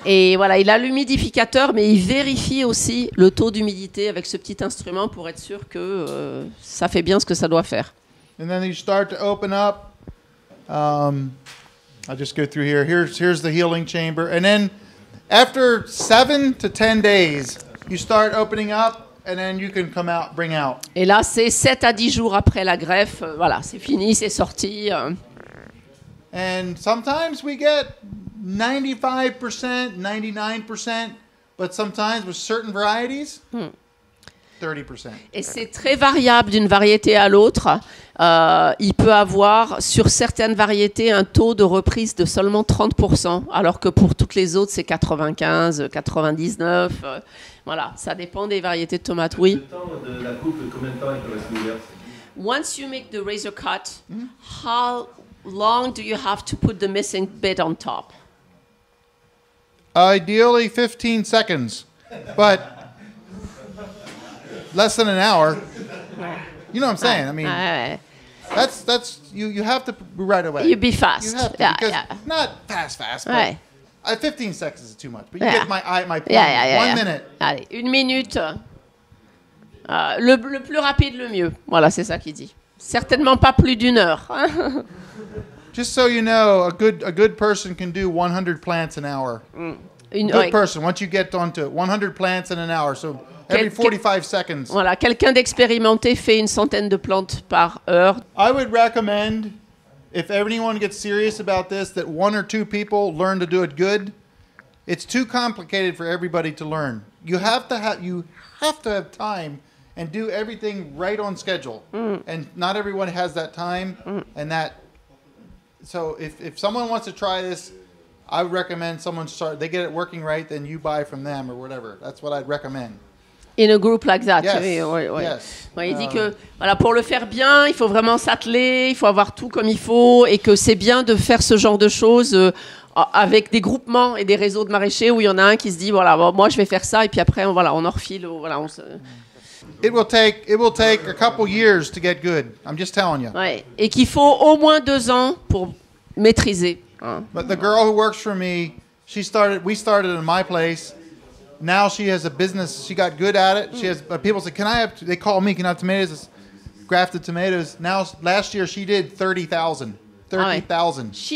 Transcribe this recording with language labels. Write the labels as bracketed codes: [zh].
[fr] Et voilà, il a l'humidificateur, mais il vérifie aussi le taux d'humidité avec ce petit instrument pour être sûr que ça fait bien ce que ça doit faire. [en] And then you start to open up. I'll just go through here. Here's the healing chamber. And then after 7 to 10 days, you start opening up and then you can come out, bring out. [fr] Et là, c'est 7 à 10 jours après la greffe. Voilà, c'est fini, c'est sorti. [en] And sometimes we get 95%, 99%, but sometimes with certain varieties, 30%. [fr] Et c'est très variable d'une variété à l'autre. Il peut avoir sur certaines variétés un taux de reprise de seulement 30%, alors que pour toutes les autres, c'est 95, 99. Voilà, ça dépend des variétés de tomates. Oui. Le temps de la coupe, combien de temps il peut rester ouvert ? [en] Once you make the razor cut, how long do you have to put the missing bit on top? Ideally 15 seconds, but less than an hour. You know what I'm saying? I mean, that's you have to be right away. You'd be fast. You have to, not fast, but 15 seconds is too much. But you get my point. [fr] Minute. Allez, une minute. Le plus rapide, le mieux. Voilà, c'est ça qu'il dit. Certainement pas plus d'une heure. [en] Just so you know, a good person can do 100 plants an hour. Person, once you get onto it, 100 plants in an hour, so every 45 seconds. [fr] Voilà, quelqu'un d'expérimenté fait une centaine de plantes par heure. [en] I would recommend, if anyone gets serious about this, that one or two people learn to do it good. It's too complicated for everybody to learn. You have to have time and do everything right on schedule. And not everyone has that time and that. So if someone wants to try this, I would recommend someone start. They get it working right, then you buy from them or whatever. That's what I'd recommend. In a group like that. Yes. [fr] Il dit que voilà, pour le faire bien, il faut vraiment s'atteler, il faut avoir tout comme il faut, et que c'est bien de faire ce genre de choses avec des groupements et des réseaux de maraîchers où il y en a un qui se dit voilà, bon, moi je vais faire ça, et puis après voilà, on en refile. Voilà, on se... [en] It will take a couple years to get good. I'm just telling you. [fr] Ouais. Et qu'il faut au moins 2 ans pour maîtriser. [en] But the girl who works for me, we started in my place. Now she has a business. She got good at it. She has. But people say, they call me, can I have tomatoes? Grafted tomatoes. Now, last year she did 30,000. 30,000.